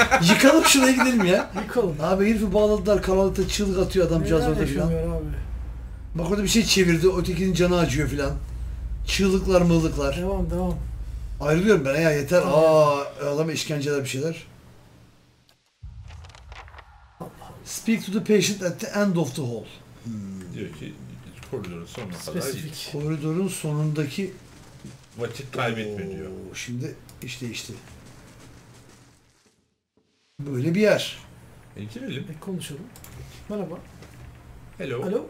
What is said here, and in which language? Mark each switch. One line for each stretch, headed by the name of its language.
Turkish: yıkalım şuraya gidelim ya. Yıkalım. Abi herifi bağladılar, karanlıkta çığlık atıyor adamcağız orada şu an. Neler yaşamıyor abi. Bak orada bir şey çevirdi, ötekinin canı acıyor filan. Çığlıklar mığlıklar. Devam devam. Ayrılıyorum ben ya, yeter. Aaa, adam işkenceler bir şeyler.
English: Speak to the patient at the end of the hall.
Turkish: Diyor ki koridorun sonuna specific kadar. Koridorun sonundaki vakit kaybetme diyor. Şimdi iş değişti. Böyle bir yer. Girelim. Konuşalım. Merhaba.
English: Hello.
Turkish: Alo.